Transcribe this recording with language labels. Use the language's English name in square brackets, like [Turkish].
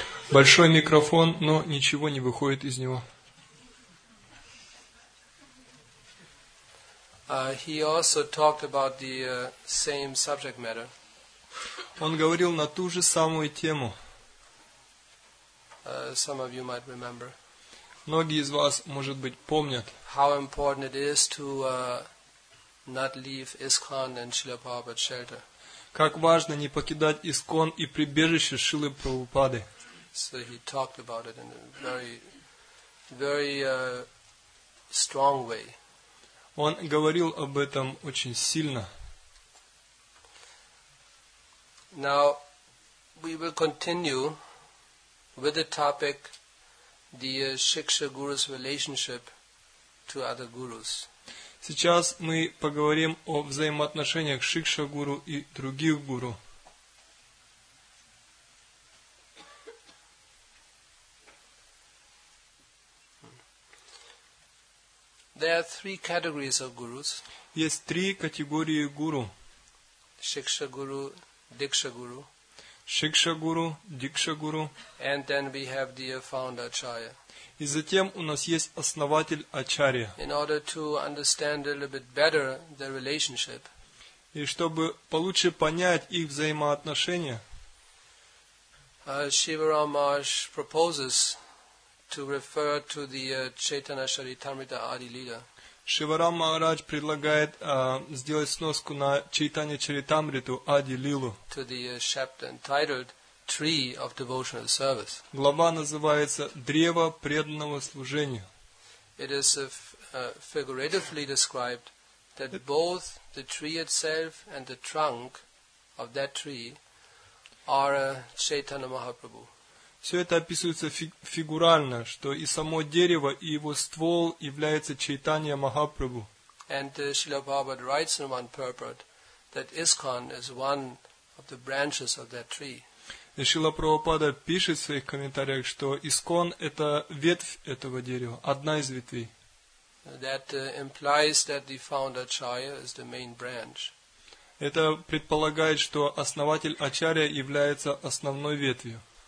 [Russian] Большой микрофон, но ничего не выходит из него. [English] He also talked about the same subject matter. [Russian] Он говорил на ту же самую тему. [English] Some of you might remember. [Russian] Многие из вас, может быть, помнят. [English] How important it is to not leave ISKCON and Srila Prabhupada's shelter. [Russian] Как важно не покидать ИСККОН и прибежище Шрилы Прабхупады. [English] So he talked about it in a very, very strong way. [Russian] Он говорил об этом очень сильно. [English] Now we will continue with the topic the Shiksha Guru's relationship to other gurus. [Russian] Сейчас мы поговорим о взаимоотношениях Шикша Гуру и других гуру. [English] There are three categories of gurus. [Russian] Есть три категории гуру. Шикша Гуру, Дикша Гуру. Шикша Гуру, Дикша Гуру. [English] And then we have the founder Ачарья. [Russian] И затем у нас есть основатель Ачарья. [English] In order to understand a little bit better their relationship. [Russian] И чтобы получше понять их взаимоотношения. [English] Shivaram Maharaj proposes to refer to the Chaitanya Charitamrita Adi Lila. [Russian] Шиварам Махарадж предлагает сделать сноску на Чайтанья Чаритамриту Ади Лилу. [English] To the chapter entitled Tree of Devotional Service. [Russian] Глава называется Древо преданного служения. [English] It is figuratively described that both the tree itself and the trunk of that tree are Chaitanya Mahaprabhu. [Russian] Все это описывается фигурально, что и само дерево, и его ствол является Чайтанья Махапрабху. [English] And Srila Prabhupada writes in one purport that ISKCON is one of the branches of that tree. [Russian] И Шрила Прабхупада пишет в своих комментариях, что ИСККОН это ветвь этого дерева, одна из ветвей. [English] That implies that the founder Acharya is the main branch. [Russian] Это предполагает, что основатель Ачарья является основной ветвью.